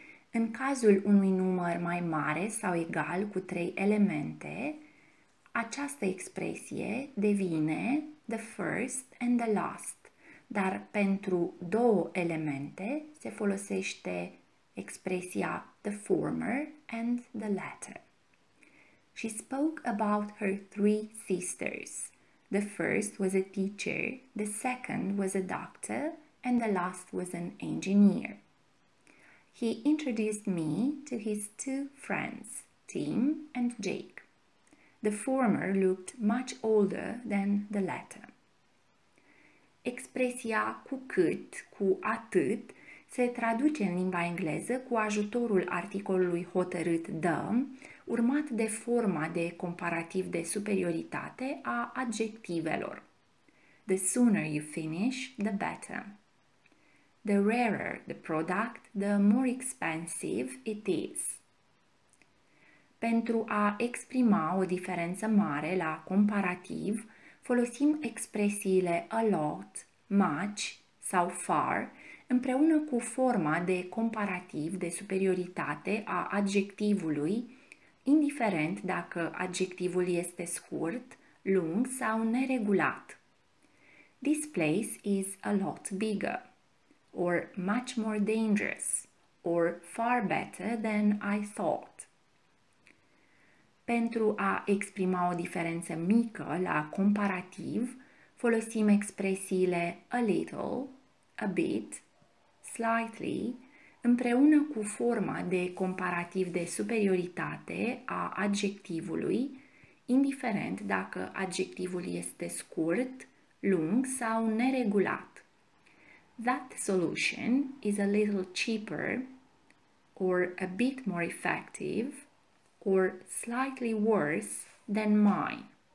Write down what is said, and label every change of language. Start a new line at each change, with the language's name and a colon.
Romanian: În cazul unui număr mai mare sau egal cu 3 elemente, această expresie devine the first and the last, dar pentru 2 elemente se folosește expresia the former and the latter.
English: She spoke about her 3 sisters. The first was a teacher, the second was a doctor, and the last was an engineer. He introduced me to his 2 friends, Tim and Jake. The former looked much older than the latter.
Romanian: Expresia cu cât, cu atât, se traduce în limba engleză cu ajutorul articolului hotărât the, urmat de forma de comparativ de superioritate a adjectivelor.
English: The sooner you finish, the better. The rarer the product, the more expensive it is.
Romanian: Pentru a exprima o diferență mare la comparativ, folosim expresiile a lot, much sau far, împreună cu forma de comparativ de superioritate a adjectivului, indiferent dacă adjectivul este scurt, lung sau neregulat.
English: This place is a lot bigger, or much more dangerous, or far better than I thought.
Romanian: Pentru a exprima o diferență mică la comparativ, folosim expresiile a little, a bit, slightly, împreună cu forma de comparativ de superioritate a adjectivului, indiferent dacă adjectivul este scurt, lung sau neregulat.
English: That solution is a little cheaper, or a bit more effective, or slightly worse than mine.